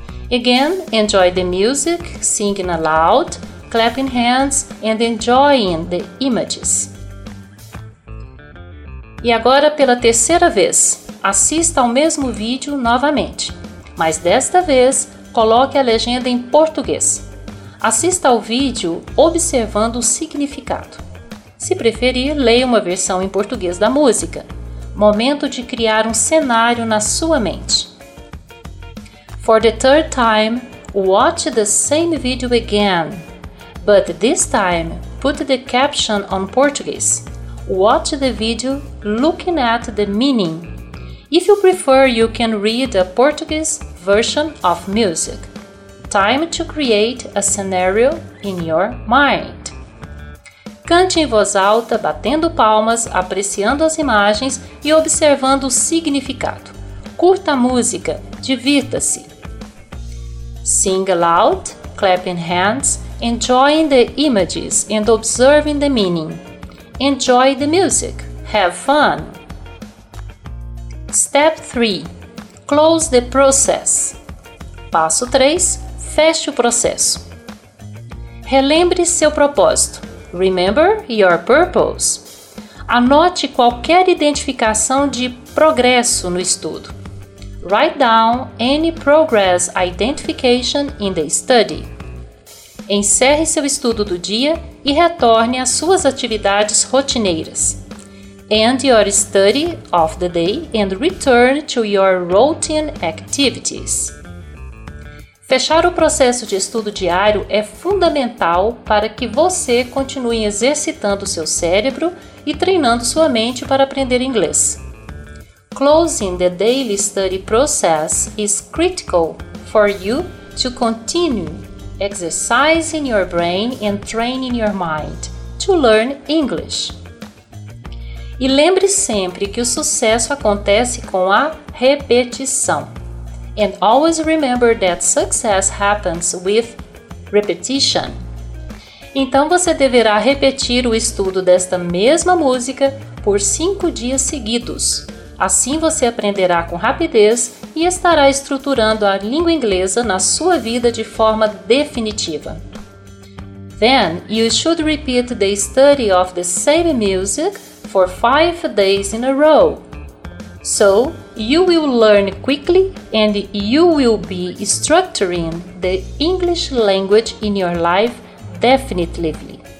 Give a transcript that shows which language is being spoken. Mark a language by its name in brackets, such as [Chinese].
[English] Again, enjoy the music, singing aloud, clapping hands and enjoying the images. [Portuguese] E agora, pela terceira vez, assista ao mesmo vídeo novamente. Mas desta vez, coloque a legenda em português. Assista ao vídeo observando o significado. Se preferir, leia uma versão em português da música. Momento de criar cenário na sua mente. [English] For the third time, watch the same video again. But this time, put the caption on Portuguese. Watch the video looking at the meaning. If you prefer, you can read a Portuguese version of music. Time to create a scenario in your mind. [Portuguese] Cante em voz alta, batendo palmas, apreciando as imagens e observando o significado. Curta a música, divirta-se. [English] Sing aloud, clapping hands, enjoying the images and observing the meaning. Enjoy the music, Have fun. Step 3. Close the process. [Portuguese] Passo 3. Feche o processo. Relembre seu propósito. [English] Remember your purpose. [Portuguese] Anote qualquer identificação de progresso no estudo. [English] Write down any progress identification in the study. [Portuguese] Encerre seu estudo do dia e retorne às suas atividades rotineiras. [English] End your study of the day and return to your routine activities. [Portuguese] Fechar o processo de estudo diário é fundamental para que você continue exercitando seu cérebro e treinando sua mente para aprender inglês. [English] Closing the daily study process is critical for you to continue exercising your brain and training your mind to learn English. [Portuguese] E lembre sempre que o sucesso acontece com a repetição. [English] And always remember that success happens with repetition. [Portuguese] Então você deverá repetir o estudo desta mesma música por 5 dias seguidos. Assim você aprenderá com rapidez e estará estruturando a língua inglesa na sua vida de forma definitiva. [English] Then you should repeat the study of the same music for 5 days in a row. So, you will learn quickly and you will be structuring the English language in your life definitively.